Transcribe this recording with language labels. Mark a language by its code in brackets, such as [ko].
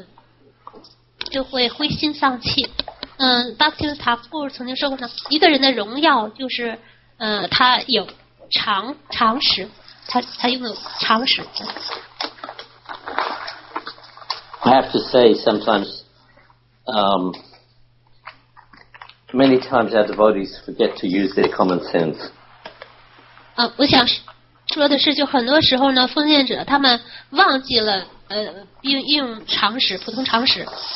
[zh] 而且呢，要用自己用到自己的差，不要对别人有过高的期望，不要带着这种天真的用一种天真的视角来对别人有一种期待。比如说，一开始认为别人太伟大了，但是一旦发现事情并不如自己所愿的，就变得很失望，就会灰心丧气。巴基斯塔布尔曾经说过呢，一个人的荣耀就是，他有常识，他拥有常识。 [en] I have to say sometimes, many times our devotees forget to use their common sense. [zh] 我想说的是，就很多时候呢，奉献者他们忘记了，运用常识，普通常识。